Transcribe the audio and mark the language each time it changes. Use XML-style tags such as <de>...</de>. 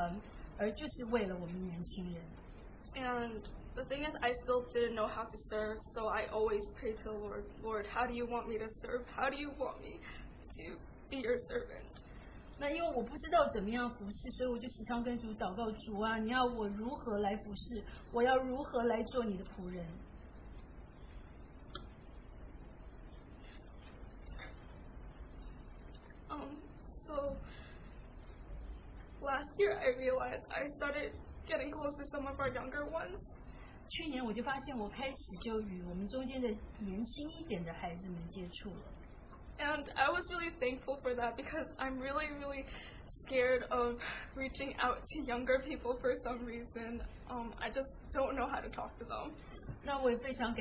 <zh>那在过去这几年，这个负担就越来越重，那使得我呢留在纽约读书，而就是为了我们年轻人。</zh> <en>And the thing is, I still didn't know how to serve, so I always prayed to the Lord, Lord, how do you want me to serve? How do you want me to be your servant?</en> <zh>那因为我不知道怎么样服侍，所以我就时常跟主祷告，主啊，你要我如何来服侍？我要如何来做你的仆人？</zh> <en>So last year I realized I started getting close to some of our younger ones.</en> <zh>去年我就发现我开始就与我们中间的年轻一点的孩子们接触了。</zh> <en>And I was really thankful for that because I'm really, really scared of reaching out to younger people for some reason. I just don't know how to talk to them.</en>